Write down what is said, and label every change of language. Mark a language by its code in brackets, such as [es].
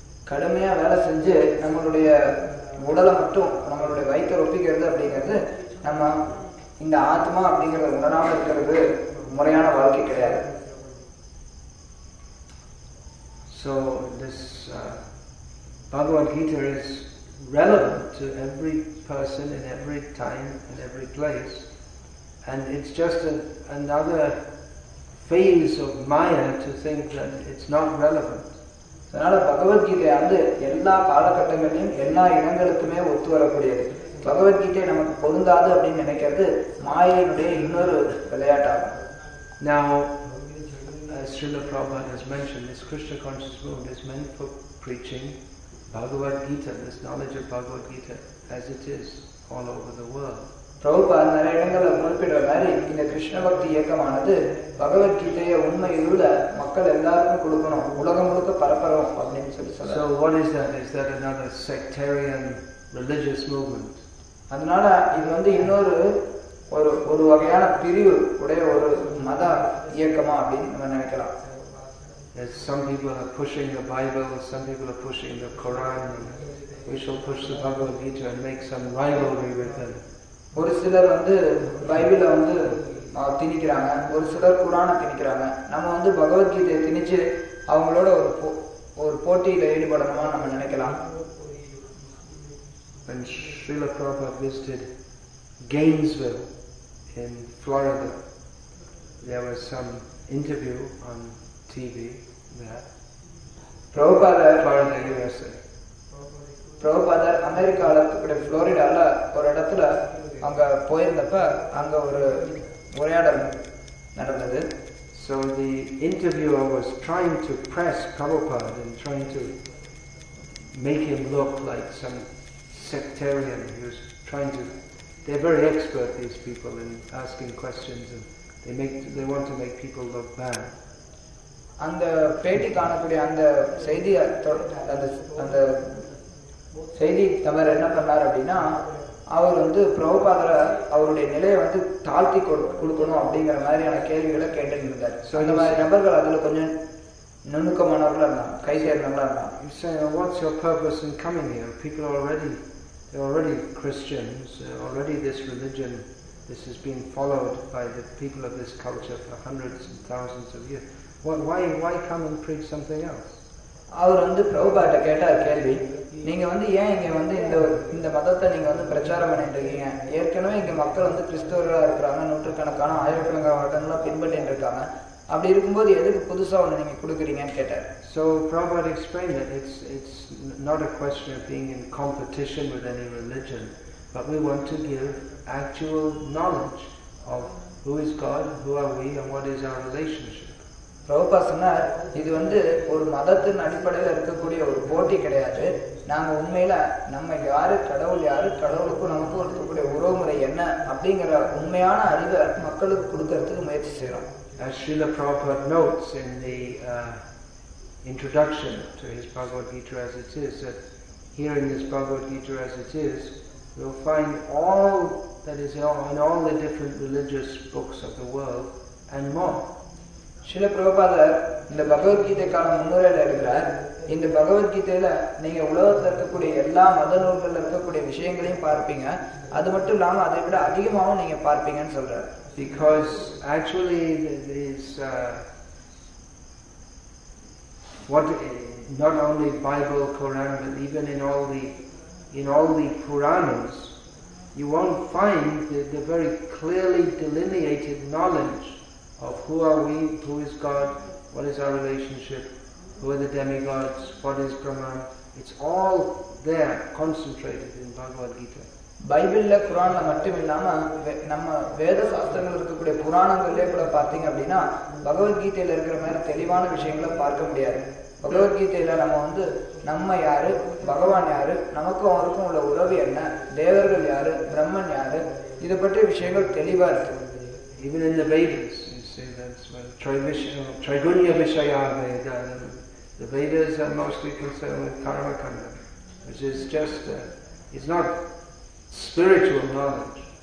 [ta] கடமையா வேலை செஞ்சு நம்மளுடைய உடலை மட்டும் நம்மளுடைய வயிற்ற ஒப்பிக்கிறது அப்படிங்கிறது நம்ம இந்த ஆத்மா அப்படிங்கறத உணராமல் இருக்கிறது முறையான வாழ்க்கை கிடையாது. [en] So this Bhagavad Gita is relevant to every person in every time and every place, and it's just another phase of Maya to think that it's not relevant. [ta] அதனால பகவத்கீதை வந்து எல்லா காலகட்டங்களையும் எல்லா இடங்களுக்குமே ஒத்து வரக்கூடியது. பகவத்கீதை நமக்கு பொருந்தாது அப்படின்னு நினைக்கிறது மாயையினுடைய இன்னொரு விளையாட்டாகும். [en] Now, as Srila Prabhupada has mentioned, this Krishna conscious movement is meant for preaching Bhagavad Gita, this knowledge of Bhagavad Gita as it is all over the world. [ta] Prabhupada நிறைய இடங்களில் குறிப்பிடுற மாதிரி இந்த கிருஷ்ண பக்தி இயக்கமானது பகவத்கீதையை உண்மையில் மக்கள் எல்லாருக்கும் கொடுக்கணும், உலகம் முழுக்க பரப்பறோம் அப்படின்னு சொல்லி சொல்றாங்க. [en] So what is that? Is that another sectarian religious movement? [ta] அதனால இது வந்து இன்னொரு ஒரு வகையான பிரிவு உடைய ஒரு மத இயக்கமா அப்படின்னு நம்ம நினைக்கலாம். [en] As some people are pushing the Bible, some people are pushing the Quran, we shall push the Bhagavad Gita and make some rivalry with them. [ta] ஒரு சிலர் வந்து பைபிளை வந்து திணிக்கிறாங்க, ஒரு சிலர் குரானை திணிக்கிறாங்க, நம்ம வந்து பகவத்கீதையை திணிச்சு அவங்களோட ஒரு போட்டியில் ஈடுபடணுமா நம்ம நினைக்கலாம். [en] When Srila Prabhupada visited Gainesville in Florida, there was some interview on TV there. Florida, USA. [ta] Prabhupada அமெரிக்காவில் இப்படி ஃப்ளோரிடாவில் ஒரு இடத்துல அங்கே போயிருந்தப்ப அங்கே ஒரு உரையாடல் நடந்தது. [en] So the interviewer was trying to press Prabhupada and trying to make him look like some sectarian. He was trying to, they're very expert, these people, in asking questions, and they want to make people look bad. [ta] அந்த பேட்டி காணக்கூடிய அந்த செய்தி தவிர என்ன பண்ணார் அப்படின்னா, அவர் வந்து பிரபுபாதர அவருடைய நிலையை வந்து தாழ்த்தி கொடுக்கணும் அப்படிங்கிற மாதிரியான கேள்விகளை கேட்டுட்டு இருந்தார். அந்த மாதிரி நபர்கள் அதுல கொஞ்சம் நுணுக்கமானவர்களா இருந்தான், கை சேர்ந்தவங்களா இருந்தான். [en] You say, what's your purpose in coming here? People are already, they're already Christians, already this religion, this has been followed by the people of this culture for hundreds and thousands of years. Why come and preach something else? [ta] அவர் வந்து பிரபுபாட்ட கேட்டார் கேள்வி, நீங்க வந்து ஏன் இங்க வந்து இந்த மதத்தை நீங்க வந்து பிரச்சாரம் பண்ணிட்டு இருக்கீங்க? ஏற்கனவே இங்க மக்கள் வந்து கிறிஸ்தவர்களா இருக்கிறாங்க, நூற்றுக்கணக்கான ஆயிரக்கணக்கான வருடங்களா பின்பற்றிட்டு இருக்காங்க, அப்படி இருக்கும்போது எதுக்கு புதுசா ஒண்ணு நீங்க கொடுக்குறீங்கன்னு கேட்டார். [en] So Prabhupada explained that it's not a question of being in competition with any religion, but we want to give actual knowledge of who is God, who are we, and what is our relationship. [ta] Prabhupada சொன்னார், இது வந்து ஒரு மதத்தின் அடிப்படையில் இருக்கக்கூடிய ஒரு போட்டி கிடையாது, நாங்கள் உண்மையில் நம்ம யாரு, கடவுள் யாரு, கடவுளுக்கும் நமக்கும் இருக்கக்கூடிய உறவு முறை என்ன அப்படிங்கிற உண்மையான அறிவை மக்களுக்கு கொடுக்கறதுக்கு முயற்சி செய்கிறோம். [en] As Srila Prabhupada notes in the introduction to his Bhagavad Gita as it is, that here in this Bhagavad Gita as it is, we'll find all that is in all the different religious books of the world and more. [ta] சில பிரபாதர் இந்த பகவத்கீதைக்கான முன்னுரையில் எடுக்கிறார், இந்த பகவத்கீதையில நீங்க உலகத்தில் இருக்கக்கூடிய எல்லா மத நூல்களில் இருக்கக்கூடிய விஷயங்களையும் பார்ப்பீங்க, அது மட்டும் இல்லாமல் அதை விட அதிகமாகவும் நீங்க பார்ப்பீங்கன்னு சொல்றார். [en] Because actually this what not only Bible, Quran, but even in all the Puranas, you won't find the very clearly delineated knowledge of who are we, who is God, what is our relationship, who are the demigods, what is Brahman. It's all there, concentrated in Bhagavad Gita. [ta] பைபிளில் குரானில் மட்டும் இல்லாமல் நம்ம வேத சாஸ்திரங்கள் இருக்கக்கூடிய புராணங்கள்லேயே கூட பார்த்தீங்க அப்படின்னா, பகவத்கீதையில் இருக்கிற மாதிரி தெளிவான விஷயங்களை பார்க்க முடியாது. பகவத்கீதையில் நம்ம வந்து நம்ம யாரு, பகவான் யாரு, நமக்கும் அவருக்கும் உள்ள உறவு என்ன, தேவர்கள் யாரு, பிரம்மன் யாரு, இதை பற்றிய விஷயங்கள் தெளிவாக இருக்கு. [en] Even in the Vedas, you say that's well, Trigunya Vishayaveda. The Vedas are mostly concerned with Karmakanda, which is just, it's not spiritual knowledge.